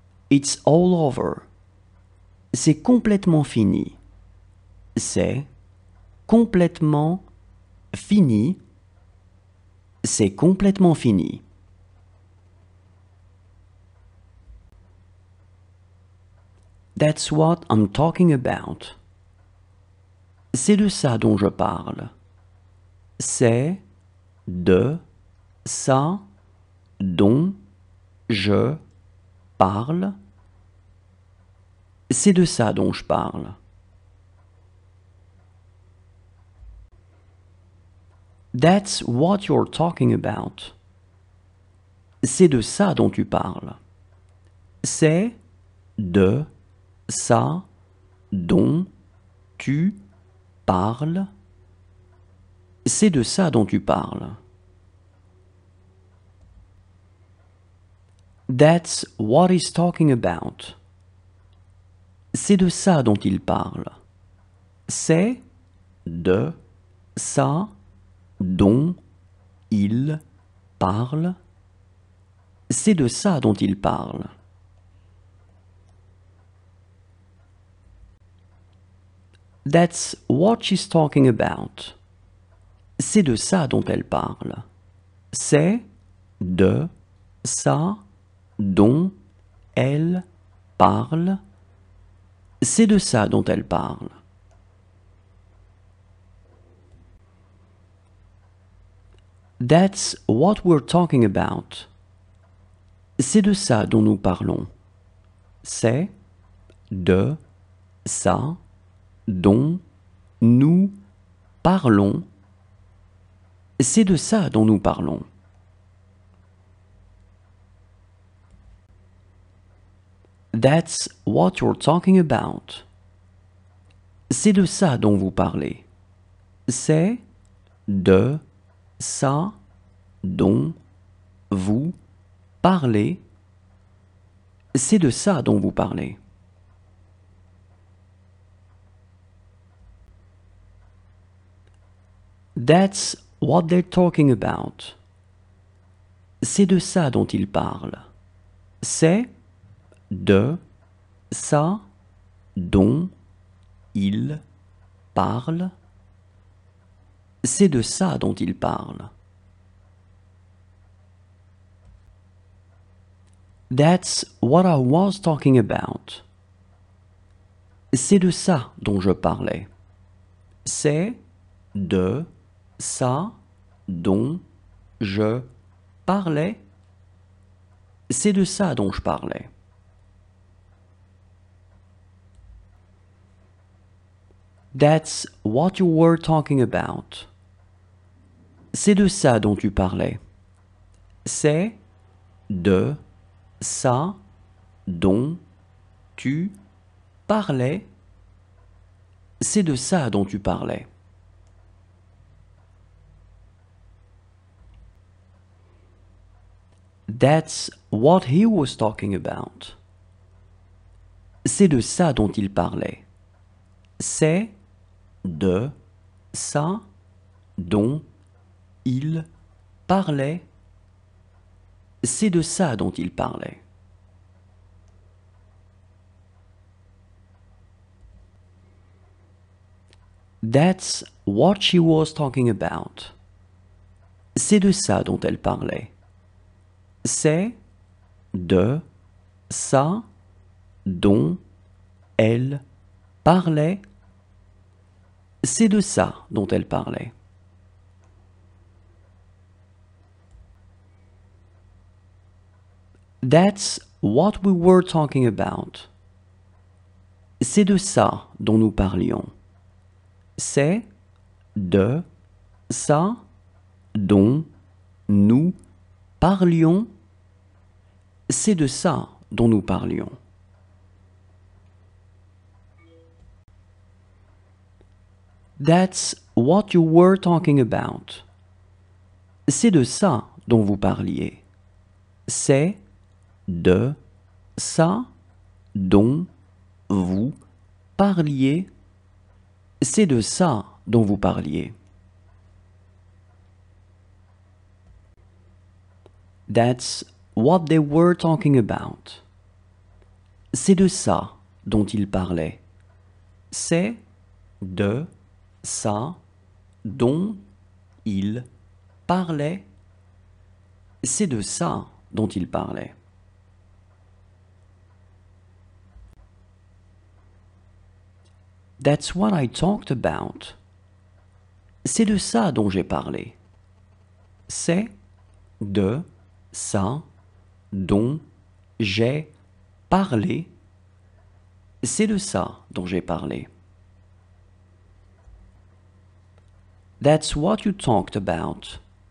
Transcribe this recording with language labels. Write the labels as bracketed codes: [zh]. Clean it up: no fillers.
[en] It's all over. [fr] C'est complètement fini. C'est complètement fini. C'est complètement fini. [en] That's what I'm talking about. [fr] C'est de ça dont je parle. C'est de ça dont je parle. C'est de ça dont je parle. [en] That's what you're talking about. [fr] C'est de ça dont tu parles. C'est de ça dont tu parles. C'est de ça dont tu parles. [en] That's what he's talking about. [fr] C'est de ça dont il parle. C'est de ça dont il parle. C'est de ça dont il parle. [en] That's what she's talking about. [fr] C'est de ça dont elle parle. C'est de ça dont elle parle. C'est de ça dont elle parle. [en] That's what we're talking about. [fr] C'est de ça dont nous parlons. C'est de ça dont nous parlons. C'est de ça dont nous parlons. [en] That's what you're talking about. [fr] C'est de ça dont vous parlez. C'est de ça dont vous parlez. C'est de ça dont vous parlez. [en] That's what they're talking about. [fr] C'est de ça dont ils parlent. C'est de ça dont ils parlent. C'est de ça dont ils parlent. [en] That's what I was talking about. [fr] C'est de ça dont je parlais. C'est de ça dont je parlais. C'est de ça dont je parlais. [en] That's what you were talking about. [fr] C'est de ça dont tu parlais. C'est de ça dont tu parlais. C'est de ça dont tu parlais. [en] That's what he was talking about. [fr] C'est de ça dont il parlait. C'est de ça dont il parlait. C'est de ça dont il parlait. [en] That's what she was talking about. [fr] C'est de ça dont elle parlait. C'est de ça dont elle parlait. C'est de ça dont elle parlait. [en] That's what we were talking about. [fr] C'est de ça dont nous parlions. C'est de ça dont nous parlions. C'est de ça dont nous parlions. [en] That's what you were talking about. [fr] C'est de ça dont vous parliez. C'est de ça dont vous parliez. C'est de ça dont vous parliez. [en] That's what they were talking about. [fr] C'est de ça dont ils parlaient. C'est de ça dont ils parlaient. C'est de ça dont ils parlaient. [en] That's what I talked about. [fr] C'est de ça dont j'ai parlé. C'est de ça dont j'ai parlé. C'est de ça dont j'ai parlé. [en] That's what you talked about.